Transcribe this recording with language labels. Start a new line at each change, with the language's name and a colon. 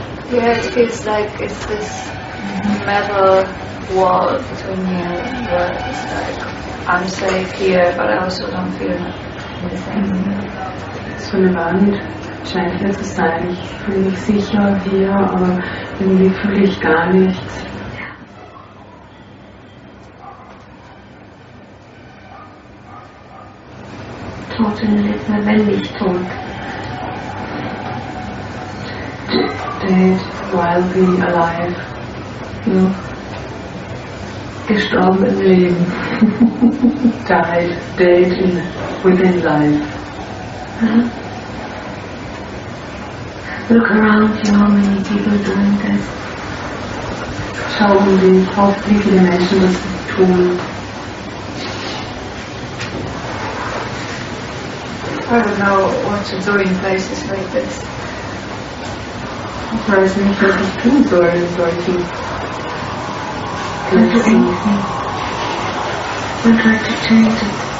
English: Yeah, it feels like it's this metal wall between me and the world. It's like I'm safe here, but I also don't feel anything.
German: So eine Wand scheint hier zu sein. Ich fühle mich sicher hier, aber irgendwie fühle ich gar nichts. Lebendig tot.
English: Dead while being alive.
German: Ja. Gestorben im Leben.
English: Died, dead in within life.
German: Ja.
English: Look around you, how many people are doing this.
German: Schau um dich, wie viele Menschen das tun.
English: I don't know what to do in places like this. I don't know if you're going to do it or anything. Don't do anything. Don't try to change it.